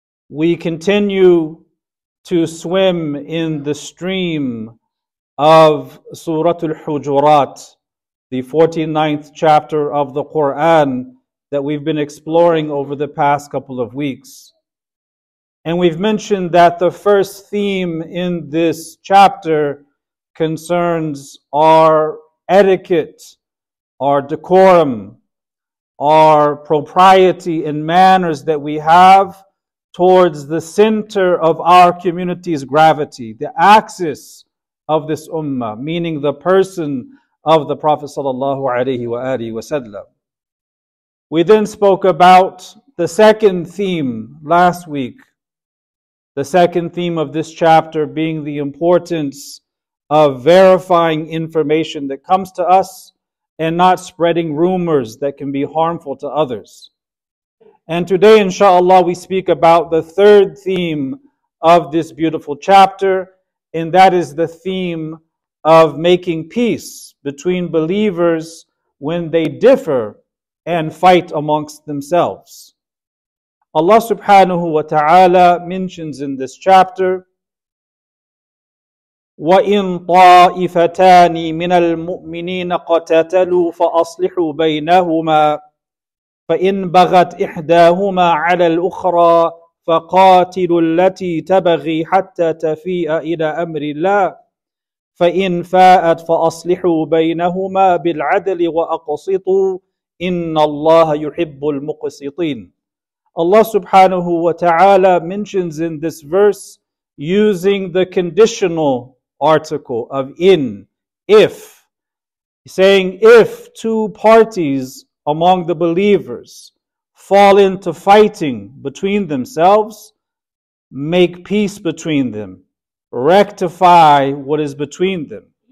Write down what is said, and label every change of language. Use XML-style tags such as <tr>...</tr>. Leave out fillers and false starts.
<en>we continue to swim in the stream of Surah al-Hujurat, the 49th chapter of the Quran that we've been exploring over the past couple of weeks. And we've mentioned that the first theme in this chapter concerns our etiquette, our decorum, our propriety and manners that we have towards the center of our community's gravity, the axis of this ummah, meaning the person of the Prophet sallallahu alayhi wa alihi wa sallam. We then spoke about the second theme last week, the second theme of this chapter being the importance of verifying information that comes to us and not spreading rumors that can be harmful to others. And today, inshallah, we speak about the third theme of this beautiful chapter, and that is the theme of making peace between believers when they differ and fight amongst themselves. Allah subhanahu wa ta'ala mentions in this chapter,</en> <ar>وَإِن طَائِفَتَانِ مِنَ الْمُؤْمِنِينَ قَتَتَلُوا فَأَصْلِحُوا بَيْنَهُمَا فَإِن بَغَتْ إِحْدَاهُمَا عَلَى الْأُخْرَى فَقَاتِلُوا الَّتِي تَبَغِي حَتَّى تَفِيءَ إِلَى أَمْرِ اللَّهِ فَإِن فَاءَتْ فَأَصْلِحُوا بَيْنَهُمَا بِالْعَدْلِ وَأَقْسِطُوا إِنَّ اللَّهَ يُحِبُّ الْمُقْسِطِينَ.</ar> <en>Allah subhanahu wa ta'ala mentions in this verse using the conditional article of in, if, saying if two parties among the believers fall into fighting between themselves, make peace between them, rectify what is between them.</en>